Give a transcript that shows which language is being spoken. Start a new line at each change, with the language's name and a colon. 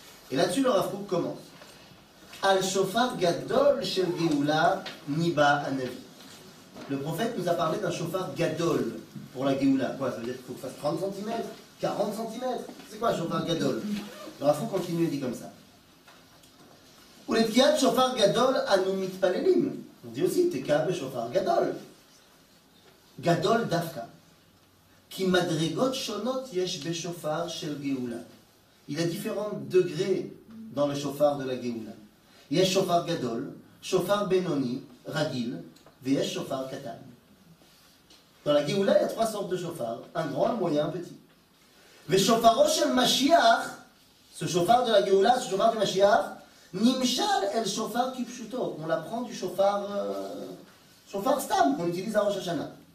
French: Et là-dessus, le Rav Kook commence.
Hebrew: Al shofar gadol shel geoula niba anavi.
French: Le prophète nous a parlé d'un shofar gadol pour la geoula. Quoi? Ça veut dire qu'il faut que ça fasse 30 cm, 40 cm. C'est quoi shofar gadol? Le Rav Kook continue et dit comme ça.
Hebrew: ולתקיעת שופר גדול אנו מתפללים. זה עושה תקע בשופר גדול. גדול דווקא. כי מדרגות שונות יש בשופר של גאולה.
French: Il a différents degrés dans le שופר de la גאולה.
Hebrew: יש שופר גדול, שופר בינוני, רגיל, ויש שופר קטן.
French: Dans la גאולה, il y a trois sortes de שופר, un grand, un moyen, un petit.
Hebrew: ושופרו של משיח,
French: ce שופר de la גאולה, ce שופר du משיח,
Hebrew: Nimshal el shofar kipshuto.
French: On l'apprend du shofar. Shofar stam, qu'on utilise à Rosh Hashanah.